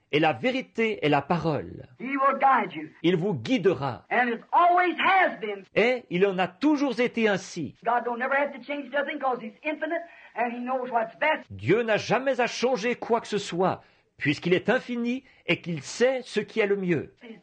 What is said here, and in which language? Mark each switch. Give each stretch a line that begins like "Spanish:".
French: Et la vérité est la parole.
English: He will guide you.
French: Il vous guidera.
English: And it always has been.
French: Et il en a toujours été ainsi.
English: God don't ever have to change nothing because he's infinite. and he knows what's best.
French: Dieu n'a jamais à changer quoi que ce soit, puisqu'il est infini et qu'il sait ce qui est le mieux.